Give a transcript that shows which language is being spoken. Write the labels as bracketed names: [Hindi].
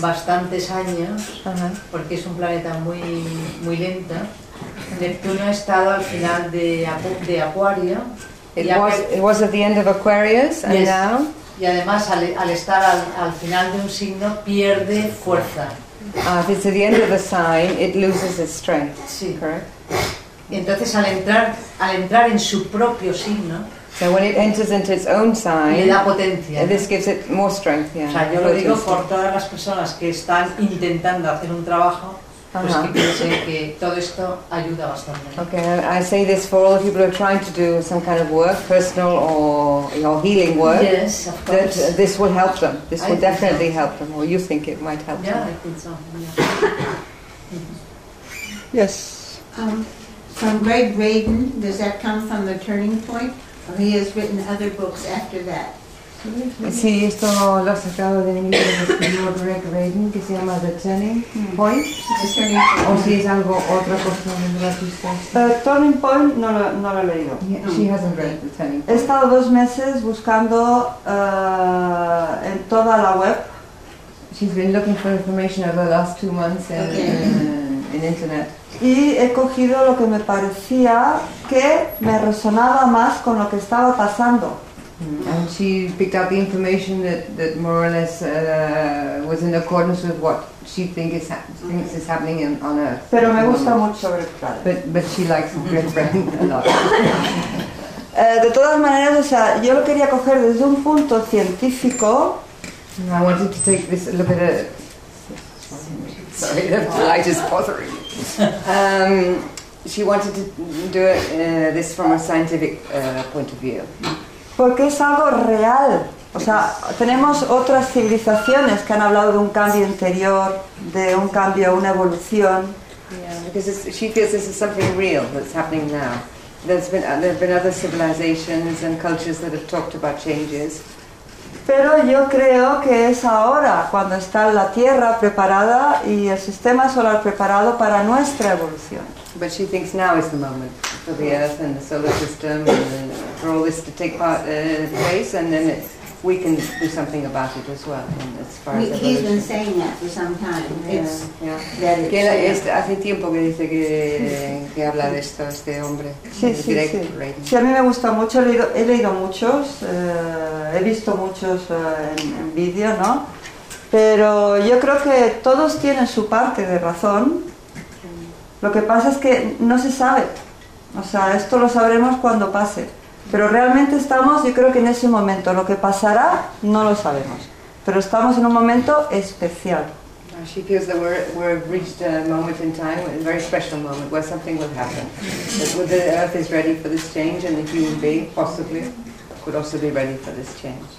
[Spanish] bastantes años, porque es un planeta muy, muy lento, Neptuno ha estado al final de Acuario. [English] It was at the end of Aquarius, and yes, now. [Spanish] Y además al estar al final de un signo pierde fuerza. [English] If it's at the end of a sign, it loses its strength. [Spanish] Sí. [English] Correct. [Spanish] Entonces al entrar en su propio signo. [English] So when it enters into its own sign, [Spanish] le da potencia. [English] This gives it more strength. Yeah. [Spanish] O sea, yo lo digo por todas las personas que están intentando hacer un trabajo. [English] Okay, I say this for all the people who are trying to do some kind of work, personal or healing work. Yes, of course. That this will help them. This will definitely help them, or you think it might help them. Yeah, I think so. Yeah. Yes. From Greg Braden, does that come from the Turning Point? Or he has written other books after that. [Spanish] Sí, esto lo ha sacado de mi libro del señor Greg Braden, que se llama The Turning Point. O si es algo, otra cuestión de la pista. The Turning Point no lo he leído. [English] She hasn't read The Turning Point. [Spanish] He estado dos meses buscando en toda la web. [English] She's been looking for information over the last two months in internet. [Spanish] Y he cogido lo que me parecía que me resonaba más con lo que estaba pasando. [English] And she picked up the information that more or less was in accordance with what she thinks is happening on Earth. [Spanish] Pero me gusta mucho Greg Braden. [English] But she likes Greg Braden a lot. [Spanish] De todas maneras, o sea, yo lo quería coger desde un punto científico. [English] And I wanted to take this look at it. Sorry, the light is bothering. She wanted to do it, this from a scientific point of view. [Spanish] Porque es algo real. O sea, tenemos otras civilizaciones que han hablado de un cambio interior, de un cambio, una evolución. [English] Yeah, because she feels this is something real that's happening now. There have been other civilizations and cultures that have talked about changes. [Spanish] Pero yo creo que es ahora cuando está la Tierra preparada y el sistema solar preparado para nuestra evolución. [English] But she thinks now is the moment for the Earth and the solar system and for all this to take part place, and then we can do something about it as well. And as far as he's been saying that for some time. [Spanish] It's, hace tiempo que dice que habla de esto este hombre. Sí, a mí me gusta mucho. He leído muchos, he visto muchos en vídeo, ¿no? Pero yo creo que todos tienen su parte de razón. Lo que pasa es que no se sabe. O sea, esto lo sabremos cuando pase. Pero realmente estamos, yo creo que en ese momento. Lo que pasará, no lo sabemos. Pero estamos en un momento especial. [English] She feels that we're reached a moment in time, a very special moment, where something will happen. That the Earth is ready for this change, and the human being, possibly, could also be ready for this change.